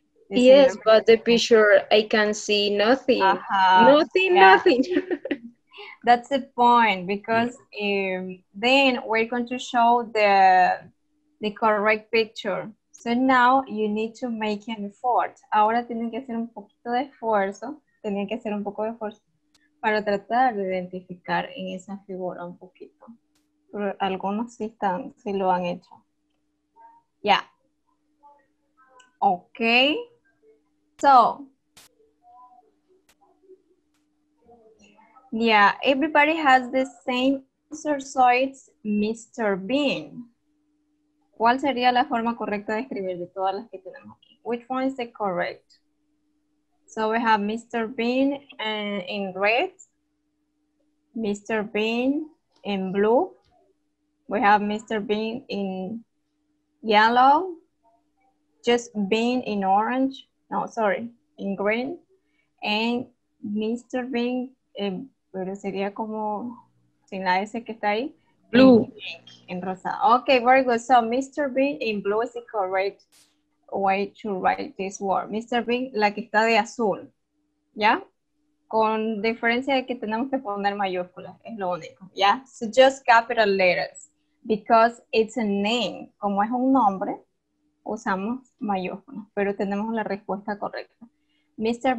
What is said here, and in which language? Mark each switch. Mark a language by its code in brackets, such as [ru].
[en] The yes, celebrity. But the picture, I can see nothing. Nothing, yeah. Nothing. That's the point, because then we're going to show the correct picture. So now you need to make an effort. [es] Ahora tienen que hacer un poquito de esfuerzo. Tienen que hacer un poco de esfuerzo para tratar de identificar en esa figura un poquito. Pero algunos sí están, sí lo han hecho. [en] Yeah. Okay. So. Yeah, everybody has the same answer, so it's Mr. Bean. [es] ¿Cuál sería la forma correcta de escribir de todas las que tenemos aquí? [en] Which one is the correct? So we have Mr. Bean in red, Mr. Bean in blue, we have Mr. Bean in yellow, just Bean in orange, no, sorry, in green, and Mr. [es] Bean in, pero sería como sin la S que está ahí. [en] Blue. [es] En rosa. [en] Okay, very good. So, Mr. Bean in blue is the correct way to write this word. [es] Mr. Bean, la que está de azul. ¿Ya? Con diferencia de que tenemos que poner mayúsculas. Es lo único. ¿Ya? [en] So, just capital letters. Because it's a name. [es] Como es un nombre, usamos mayúsculas. Pero tenemos la respuesta correcta. Mr.